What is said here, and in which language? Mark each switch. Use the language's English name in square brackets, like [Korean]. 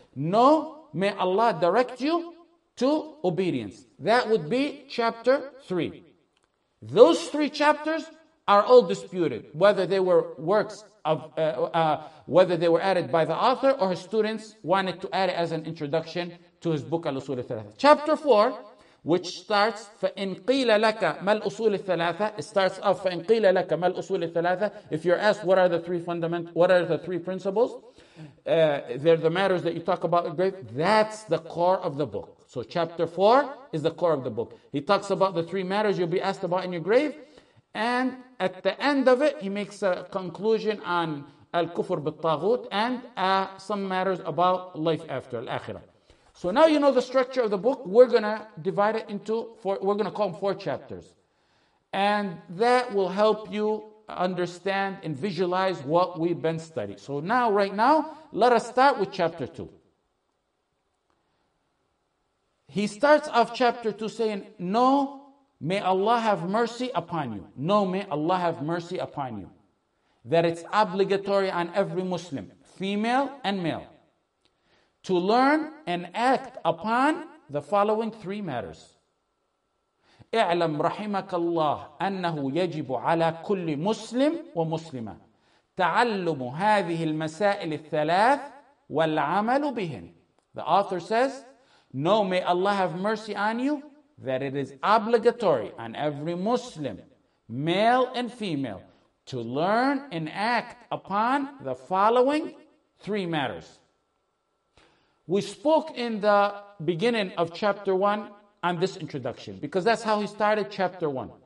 [English] Know, may Allah direct you to obedience. That would be chapter three. Those three chapters are all disputed, whether they were works of whether they were added by the author or his students wanted to add it as an introduction to his book, Al-Usul al-Thalatha. Chapter 4, which starts, [Arabic] فَإِنْ قِيلَ لَكَ مَا الْأُصُولِ الثَّلَاثَ. [English] It starts off, [Arabic] فَإِنْ قِيلَ لَكَ مَا الْأُصُولِ الثَّلَاثَ. [English] If you're asked, what are the three fundamental, what are the three principles? They're the matters that you talk about in grave. That's the core of the book. So chapter 4 is the core of the book. He talks about the three matters you'll be asked about in your grave. And at the end of it, he makes a conclusion on Al-Kufr bil-Taghut and some matters about life after, Al-Akhirah. So now you know the structure of the book. We're going to divide it into four, we're going to call them four chapters. And that will help you understand and visualize what we've been studying. So now, right now, let us start with chapter two. He starts off chapter two saying, no, may Allah have mercy upon you. No, may Allah have mercy upon you. That it's obligatory on every Muslim, female and male, to learn and act upon the following three matters. [Arabic] اعلم رحمك الله أنه يجب على كل مسلم ومسلمة تعلم هذه المسائل الثلاث والعمل بهن. [English] The author says, no, may Allah have mercy on you, that it is obligatory on every Muslim, male and female, to learn and act upon the following three matters. We spoke in the beginning of chapter one on this introduction, because that's how he started chapter one.